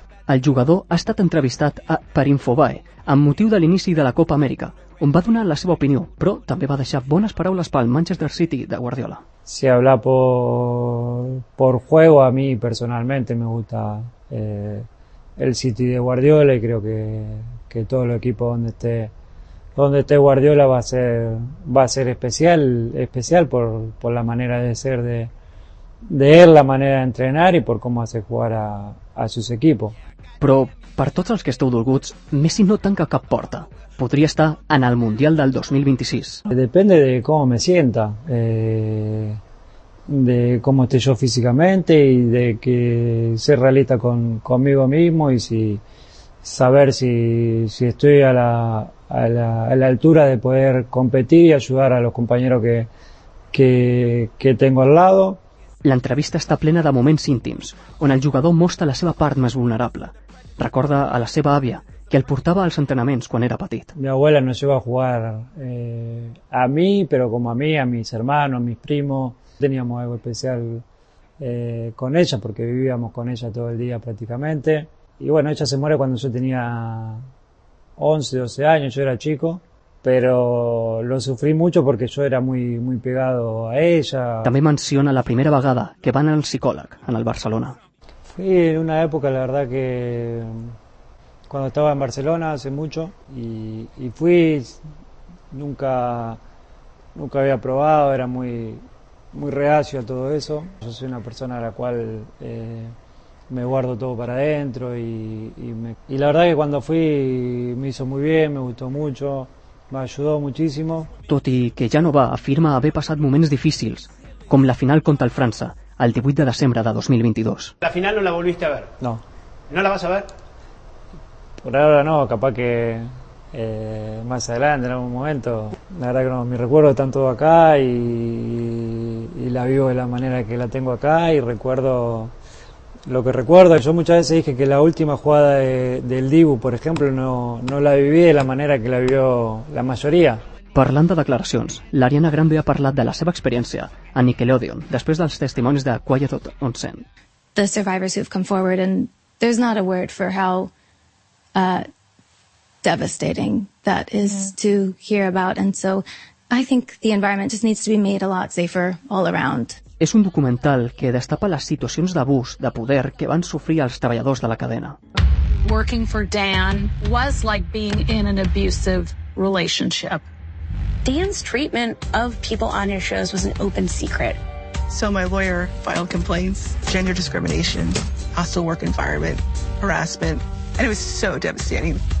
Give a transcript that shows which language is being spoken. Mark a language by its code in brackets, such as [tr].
[ca] El jugador ha estat entrevistat per Infobae amb motiu de l'inici de la Copa Amèrica, on va donar la seva opinió, però també va deixar bones paraules pel Manchester City de Guardiola. [es] Si habla por juego, a mí personalmente me gusta el City de Guardiola y creo que todo el equipo donde esté Guardiola va a ser especial por la manera de ser de él, la manera de entrenar y por cómo hace jugar a sus equipos. [ca] Però per tots els que esteu dolguts, Messi no tanca cap porta. Podria estar en el Mundial del 2026. [es] Depende de cómo me sienta, de cómo esté yo físicamente y de que ser realista conmigo mismo y saber si estoy a la altura de poder competir y ayudar a los compañeros que tengo al lado. [ca] L'entrevista està plena de moments íntims, on el jugador mostra la seva part més vulnerable. Recuerda a la seva àvia, que el portava als entrenaments quan era petit. [es] Mi abuela nos lleva a jugar a mí, pero como a mí, a mis hermanos, a mis primos. Teníamos algo especial con ella, porque vivíamos con ella todo el día prácticamente. Y bueno, ella se muere cuando yo tenía 11, 12 años, yo era chico. Pero lo sufrí mucho porque yo era muy, muy pegado a ella. [ca] També menciona la primera vegada que van al psicòleg en el Barcelona. [es] Fui en una época, la verdad, que cuando estaba en Barcelona hace mucho y fui, nunca había probado, era muy, muy reacio a todo eso. Yo soy una persona a la cual me guardo todo para adentro y la verdad que cuando fui me hizo muy bien, me gustó mucho, me ayudó muchísimo. [ca] Tot i que ja no va, afirma haver passat moments difícils, com la final contra el França, el 18 de desembre de 2022. [es] La final no la volviste a ver? No. ¿No la vas a ver? Por ahora no, capaz que más adelante, en algún momento. La verdad que no, mis recuerdos están todos acá y la vivo de la manera que la tengo acá y recuerdo lo que recuerdo. Yo muchas veces dije que la última jugada del Dibu, por ejemplo, no la viví de la manera que la vivió la mayoría. [ca] Parlant de declaracions, l'Ariana Grande ha parlat de la seva experiència a Nickelodeon després dels testimonis de Quiet on Set. [en] The survivors who've come forward, and there's not a word for how devastating that is to hear about, and so I think the environment just needs to be made a lot safer all around. [ca] És un documental que destapa les situacions d'abús de poder que van sufrir els treballadors de la cadena. [en] Working for Dan was like being in an abusive relationship. Dan's treatment of people on his shows was an open secret. So my lawyer filed complaints, gender discrimination, hostile work environment, harassment, and it was so devastating.